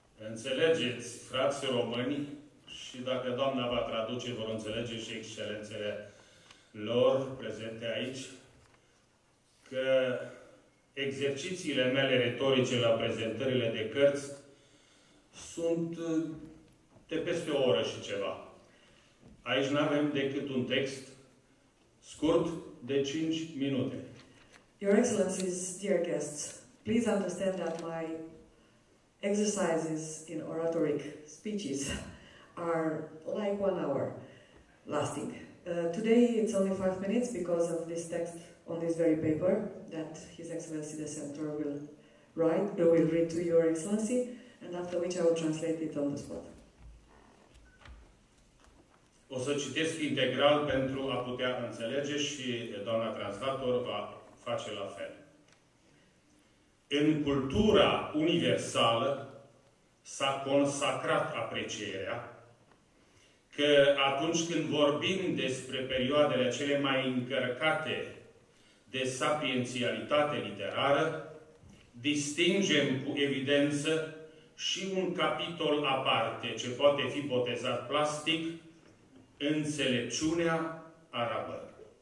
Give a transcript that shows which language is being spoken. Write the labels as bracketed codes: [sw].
[ro] Înțelegeți, frații români, și dacă doamna va traduce, vor înțelege și excelențele lor prezente aici, că exercițiile mele retorice la prezentările de cărți sunt de peste o oră și ceva. Aici nu avem decât un text scurt de 5 minute. [en] Your Excellencies, dear guests, please understand that my exercises in oratoric speeches are like 1 hour lasting. Today it's only 5 minutes because of this text on this very paper that His Excellency the Senator will read to Your Excellency, and after which I will translate it on the spot. [ro] O să citesc integral pentru a putea înțelege și doamna translator va face la fel. În cultura universală s-a consacrat aprecierea că atunci când vorbim despre perioadele cele mai încărcate de sapiențialitate literară, distingem cu evidență și un capitol aparte ce poate fi botezat plastic, înțelepciunea arabă.